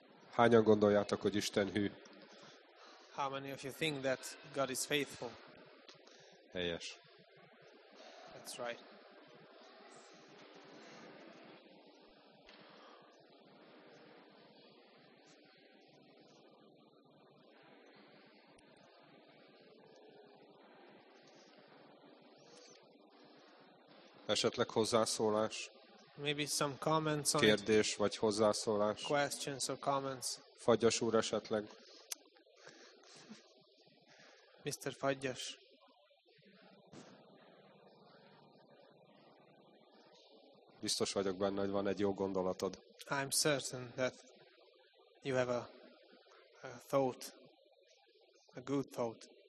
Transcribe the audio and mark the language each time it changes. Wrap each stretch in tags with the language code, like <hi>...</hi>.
<hu>Hányan gondoljátok, hogy Isten hű?</hu> <en>How many of you think that God is faithful?</en> <hu>Helyes.</hu> <en>That's right.</en> <hu>Esetleg hozzászólás?</hu> <en>Maybe some comments on</en> <hu>kérdés vagy hozzászólás.</hu> <en>Questions or comments.</en> <hu>Fagyas úr esetleg.</hu> <en>Mr. Fagyas.</en> <hu>Biztos vagyok benne, hogy van egy jó gondolatod.</hu> <en>I'm certain that you have a thought, a good thought.</en>